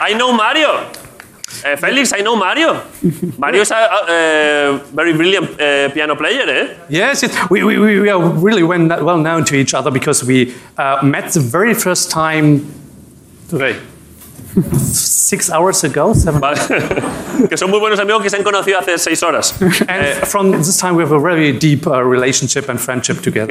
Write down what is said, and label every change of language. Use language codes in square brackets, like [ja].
[en] I know Mario. Félix, I know Mario. Mario is a very brilliant piano player, eh? Yes, we are really well known to each other because we met the very first time today. 6 hours ago, seven. [es] Vale. Que son muy buenos amigos que se han conocido hace 6 horas. [en] And from this time, we have a very deep relationship and friendship together.